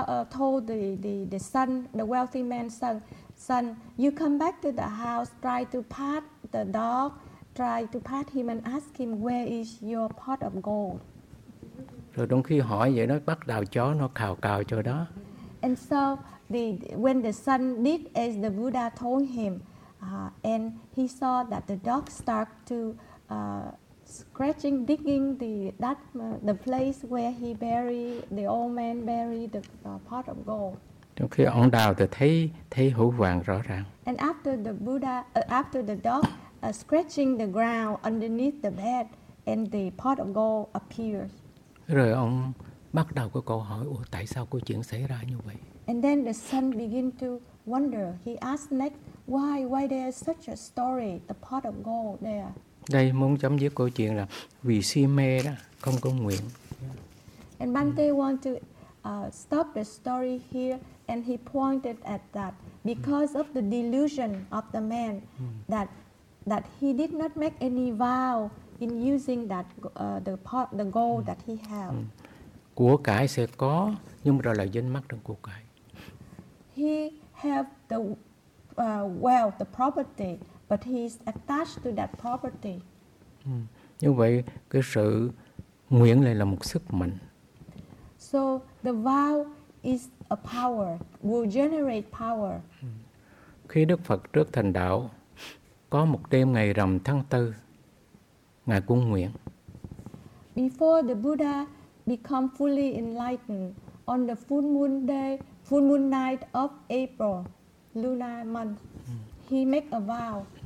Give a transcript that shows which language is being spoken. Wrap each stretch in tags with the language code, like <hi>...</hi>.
<en>Told the son, the wealthy man's son, you come back to the house, try to pat the dog, try to pat him and ask him where is your pot of gold.</en> <vi>Rồi đúng khi hỏi vậy nó bắt đầu chó nó cào cào cho đó.</vi> <en>And so when the son did as the Buddha told him, and he saw that the dog start to scratching, digging the place where he buried, the old man buried the pot of gold.</en> <vi>Trong khi ông đào thì thấy hũ vàng rõ ràng.</vi> <en>And after the Buddha, after the dog scratching the ground underneath the bed, and the pot of gold appears.</en> <vi>Rồi ông bắt đầu có câu hỏi, ủa tại sao có chuyện xảy ra như vậy?</vi> <en>And then the son begin to wonder. He asked next, why there's such a story, the pot of gold there?</en> <vi>Đây muốn chấm dứt câu chuyện là vì si mê đó, không có nguyện.</vi> <en>And Bhante want to stop the story here, and he pointed at that because of the delusion of the man that he did not make any vow in using that the goal that he have.</en> <vi>Của cải sẽ có, nhưng mà đó là dính mắc trong của cải.</vi> <en>he have the wealth, the property, but he's attached to that property.</en> <vi>Như vậy cái sự nguyện lại là một sức mạnh.</vi> <en>So the vow is a power, will generate power.</en> <vi>Khi Đức Phật trước thành đạo, có một đêm ngày rằm tháng tư, ngài cũng nguyện.</vi> <en>Before the Buddha become fully enlightened, on the full moon day, full moon night of April, lunar month, he make a vow.</en>